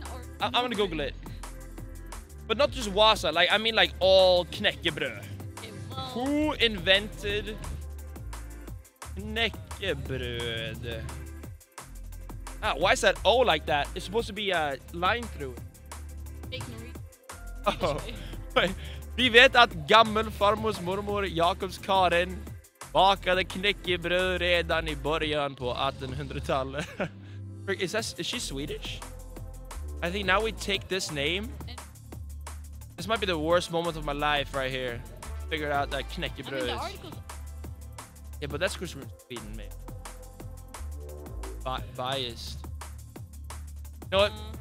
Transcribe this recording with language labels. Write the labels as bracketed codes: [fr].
[en] the thing. I'm gonna Google it. But not just Vasa. Like, I mean, like, all knäckebrö. Okay, well, who invented... Knäckebröd. Ah, why is that O like that? It's supposed to be a line through it. Ignorant. [sv] Oh. Vi vet att gammal farmors mormor Jakobs Karen bakade knäckebröd redan I början på 1800-talet. [en] Is she Swedish? I think now we take this name. This might be the worst moment of my life right here. Figure out that knäckebröd is. Yeah, but that's because we're Sweden, man. Biased. You know what?